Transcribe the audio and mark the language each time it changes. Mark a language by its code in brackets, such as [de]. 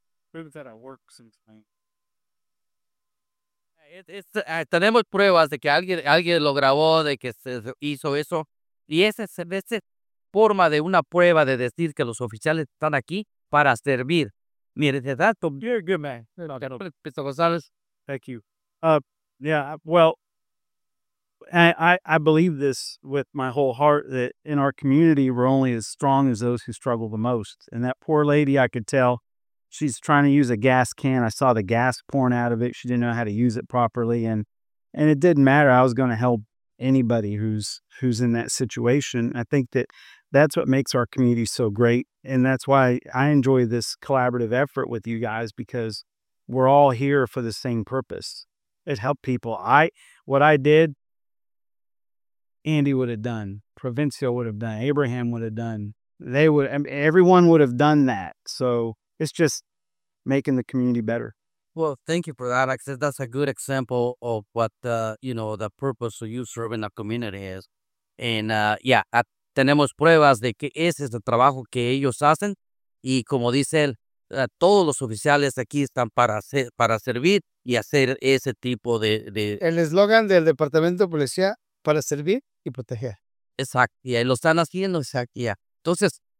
[en] prove that I work sometimes. [es] Tenemos pruebas de que alguien lo grabó, de que se hizo eso. Y esa forma de una prueba de decir que los oficiales están aquí para servir. Mire ese dato. [en] You're a good man. Mr. González. Thank you. I believe this with my whole heart, that in our community, we're only as strong as those who struggle the most. And that poor lady, I could tell, she's trying to use a gas can. I saw the gas pouring out of it. She didn't know how to use it properly. And it didn't matter. I was going to help anybody who's in that situation. I think that's what makes our community so great. And that's why I enjoy this collaborative effort with you guys, because we're all here for the same purpose. It helped people. What I did, Andy would have done. Provincio would have done. Abraham would have done. They would. I mean, everyone would have done that. So it's just making the community better. Well, thank you for that. I said that's a good example of what, you know, the purpose of you serving the community is. [es] And, tenemos pruebas de que ese es el trabajo que ellos hacen. Y como dice él, todos los oficiales aquí están para servir y hacer ese tipo de... El eslogan del Departamento de Policía, para servir y proteger. Exacto. Y ahí lo están haciendo. Exacto. Yeah. Entonces...